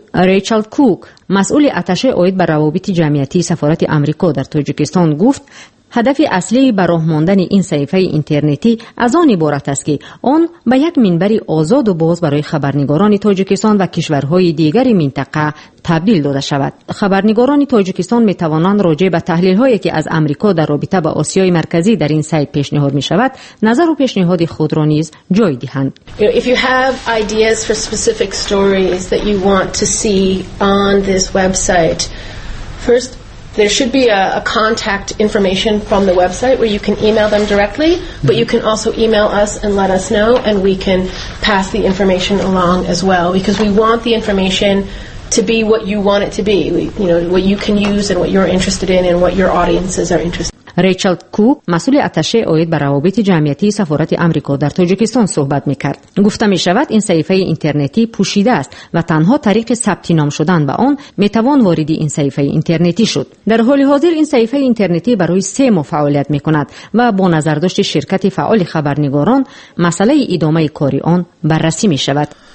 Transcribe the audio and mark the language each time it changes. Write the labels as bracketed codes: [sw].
[fa] ریچل کوک، مسئول اتشه اوید بر روابط جمعیتی سفارت آمریکا در تاجیکستان گفت هدف اصلی براه ماندن این صفحه اینترنتی از آن عبارت است که آن به یک منبر آزاد و باز برای خبرنگاران تاجیکستان و کشورهای دیگر منطقه تبدیل داده شود. خبرنگاران تاجیکستان می توانند راجع به تحلیل هایی که از آمریکا در رابطه با آسیای مرکزی در این سایت پیشنهاد می شود، نظر و پیشنهاد خود را نیز جای دهند. [en] If you have ideas for specific stories that you want to see on this website, first there should be a contact information from the website where you can email them directly, but you can also email us and let us know and we can pass the information along as well, because we want the information to be what you want it to be, you know, what you can use and what you're interested in and what your audiences are interested in. [fa] ریچل کوک، مسئول اتشه اوید بر روابط جمعیتی سفارت آمریکا در تاجیکستان صحبت می‌کرد. گفته می‌شود این صفحه اینترنتی پوشیده است و تنها طریق ثبت نام شدن به آن می‌توان وارد این صفحه اینترنتی شد. در حال حاضر این صفحه اینترنتی برای 3 ماه فعالیت می‌کند و با نظرداشت شرکت فعال خبرنگاران مسئله ادامه کاری آن بررسی می‌شود.